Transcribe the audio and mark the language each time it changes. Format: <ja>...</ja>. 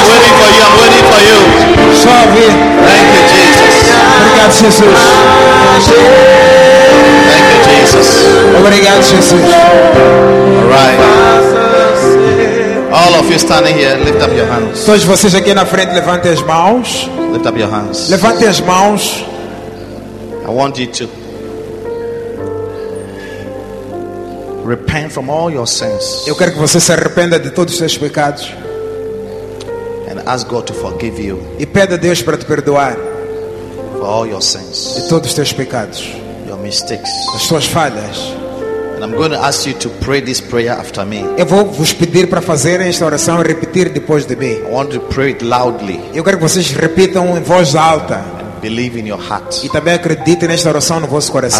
<en>I'm waiting for you, I'm waiting for you.</en> <pt>Só ouvir.</pt> <en>Thank you, Jesus.</en> <pt>Obrigado, Jesus.</pt> <en>Thank you, Jesus.</en> <pt>Obrigado, Jesus.</pt> <en>All right. All of you standing here, lift up your hands.</en> <pt>Todos vocês aqui na frente, levantem as mãos.</pt> <en>Lift up your hands.</en> <pt>Levantem as mãos.</pt> <en>I want you to repent from all your sins.</en> <pt>Eu quero que você se arrependa de todos os seus pecados.</pt> <en>And ask God to forgive you.</en> <pt>E peça a Deus para te perdoar.</pt> <en>For all your sins.</en> <pt>De todos os teus pecados.</pt> <en>Your mistakes.</en> <pt>As suas falhas.</pt> <en>I'm going to ask you to pray this prayer after me.</en> <pt>Eu vou vos pedir para fazer esta oração e repetir depois de mim.</pt> <en>I want to pray it loudly.</en> <pt>Eu quero que vocês repitam em voz alta.</pt> <en>And believe in your heart.</en> <pt>E também acreditem nesta oração no vosso coração.</pt>